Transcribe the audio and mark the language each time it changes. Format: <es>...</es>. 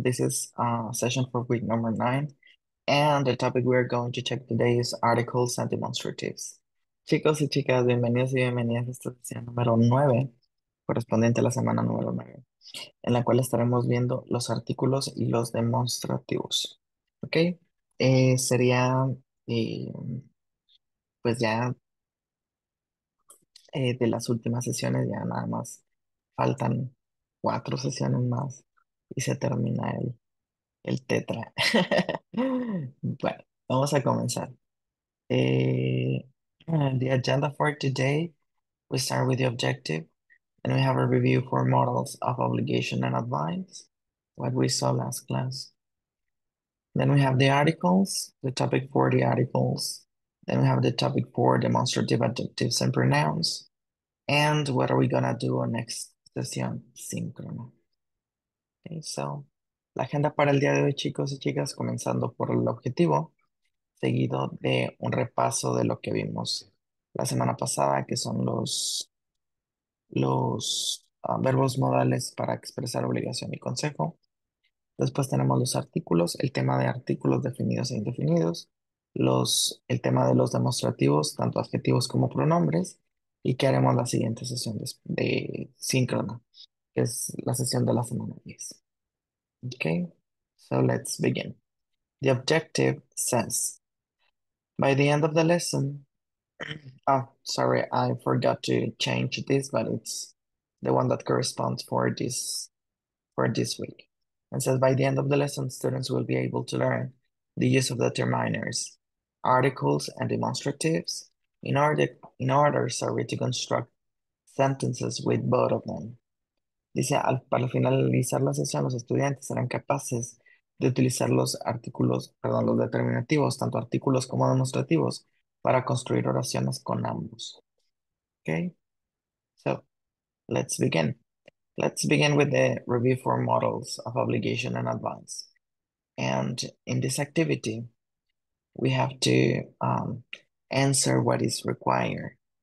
<en>This is session for week number 9, and the topic we are going to check today is articles and demonstratives.</en> <es>Chicos y chicas, bienvenidos y bienvenidas a esta sesión número 9, correspondiente a la semana número 9, en la cual estaremos viendo los artículos y los demostrativos. Ok, pues ya de las últimas sesiones ya nada más faltan 4 sesiones más y se termina el tetra. Bueno, vamos a comenzar.</es> <en>The agenda for today, we start with the objective and we have a review for models of obligation and advice, what we saw last class. Then we have the articles, the topic for the articles. Then we have the topic for demonstrative adjectives and pronouns. And what are we gonna do on next?</en> <es>Sesión síncrona.</es> <en>Okay, so,</en> <es>la agenda para el día de hoy, chicos y chicas, comenzando por el objetivo, seguido de un repaso de lo que vimos la semana pasada, que son los verbos modales para expresar obligación y consejo. Después tenemos los artículos, el tema de artículos definidos e indefinidos, el tema de los demostrativos, tanto adjetivos como pronombres. ¿Y qué haremos la siguiente sesión de síncrona? Que es la sesión de la semana 10.</es> <en>Okay, so let's begin. The objective says, by the end of the lesson, oh, sorry, I forgot to change this, but it's the one that corresponds for this week. And says, by the end of the lesson, students will be able to learn the use of the terminers, articles, and demonstratives, in order to construct sentences with both of them.</en> <es>Dice, para finalizar la sesión, los estudiantes serán capaces de utilizar los artículos, perdón, los determinativos, tanto artículos como demostrativos, para construir oraciones con ambos.</es> <en>Okay? So, let's begin. Let's begin with the review for models of obligation and advice. And in this activity, we have to answer what is required.</en>